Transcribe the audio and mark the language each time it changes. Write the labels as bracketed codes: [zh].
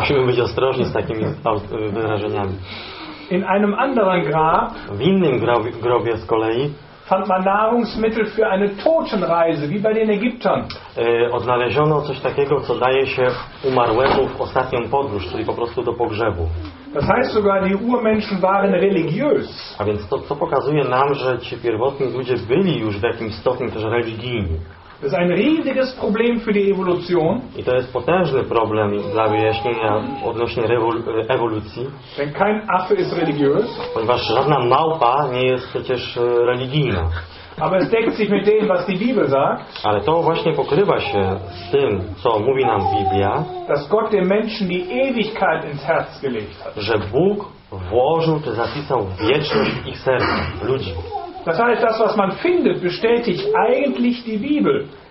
[pl] Musimy być ostrożni z takimi wyrażeniami. [de] In einem anderen Grab. [pl] W innym grobie z kolei. [de] Fand man Nahrungsmittel für eine Totenreise, wie bei den Ägyptern. [pl] Odnaleziono coś takiego, co daje się umarłemu w ostatnią podróż, czyli po prostu do pogrzebu. [de] Das heißt sogar, die Urmenschen waren religiös. [pl] A więc to pokazuje nam, że ci pierwotni ludzie byli już w jakimś stopniu też religijni. [de] Das ist ein riesiges Problem für die Evolution. [pl] I to jest potężny problem dla wyjaśnienia odnośnie ewolucji. [de] Denn kein Affe ist religiös. [pl] Ponieważ żadna małpa nie jest przecież religijna. [de] Aber es deckt sich mit dem, was die Bibel sagt. [pl] Ale to właśnie pokrywa się z tym, co mówi nam Biblia. [de] Dass Gott den Menschen die Ewigkeit ins Herz gelegt hat. [pl] Że Bóg włożył czy zapisał wieczność w ich serca, ludzi. [de] Das heißt, das, was man findet, bestätigt eigentlich die Bibel.